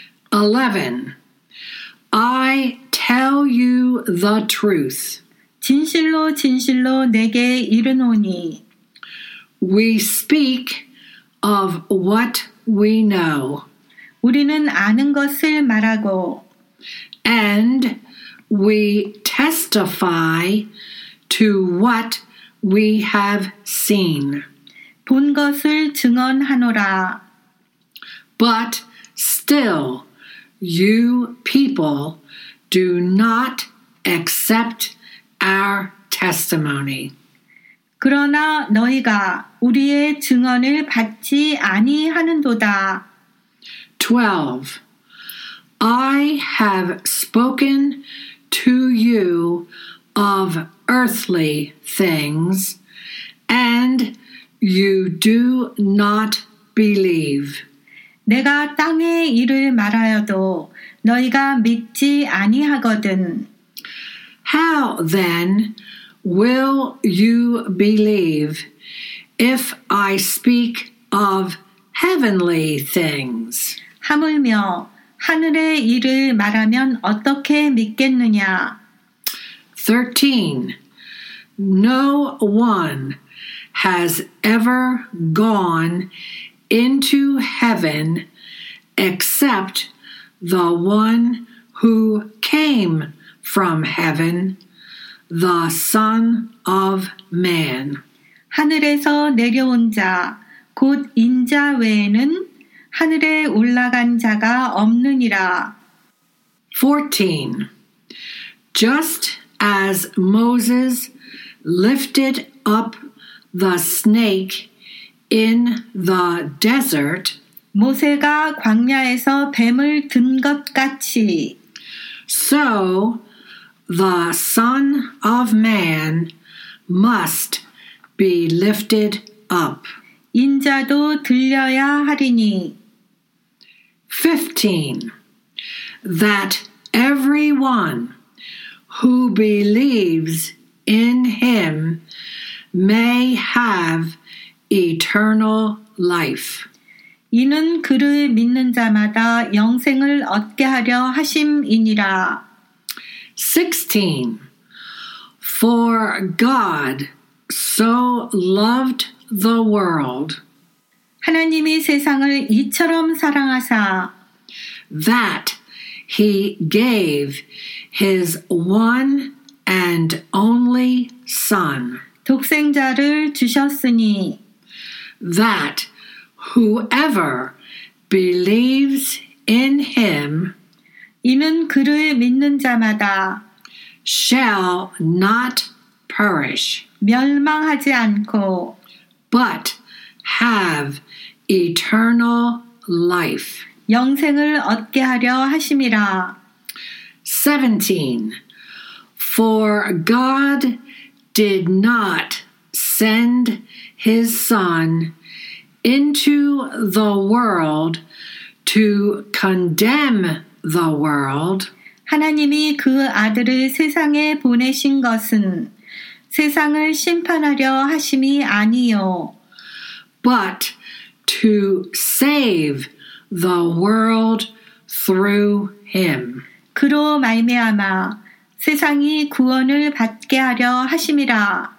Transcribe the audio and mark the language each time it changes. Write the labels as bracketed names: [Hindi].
[English] 11. I tell you the truth. [Korean] 진실로 진실로 내게 이르노니. [English] We speak of what we know. [Korean] 우리는 아는 것을 말하고. [English] And we testify to what we have seen. [Korean] 본 것을 증언하노라. [English] But still, you people do not accept our testimony. [Korean] 그러나 너희가 우리의 증언을 받지 아니하는도다. [English] 12. I have spoken to you of earthly things, and you do not believe. [Korean] 내가 땅의 일을 말하여도 너희가 믿지 아니하거든. [English] How then will you believe if I speak of heavenly things? [Korean] 하물며 하늘의 일을 말하면 어떻게 믿겠느냐? [English] 13. No one has ever gone into heaven except the one who came from heaven, the Son of Man. [Korean] 하늘에서 내려온 자, 곧 인자 외에는 하늘에 올라간 자가 없느니라. [English] 14. Just as Moses lifted up the snake in the desert, [Korean] 모세가 광야에서 뱀을 든 것 같이. [English] So the Son of Man must be lifted up. [Korean] 인자도 들려야 하리니. [English] 15. That everyone who believes in him may have eternal life. [Korean] 이는 그를 믿는 자마다 영생을 얻게 하려 하심이니라. [English] 16. For God so loved the world. [Korean] 하나님이 세상을 이처럼 사랑하사. [English] That he gave his one and only son. [Korean] 독생자를 주셨으니. [English] That whoever believes in him. [Korean] 이는 그를 믿는 자마다. [English] Shall not perish. [Korean] 멸망하지 않고. [English] But have eternal life. [Korean] 영생을 얻게 하려 하심이라. [English] 17. For God did not send his son into the world to condemn the world. [Korean] 하나님이 그 아들을 세상에 보내신 것은 세상을 심판하려 하심이 아니요. [English] But to save the world through him. [Korean] 그로 말미암아 세상이 구원을 받게 하려 하심이라.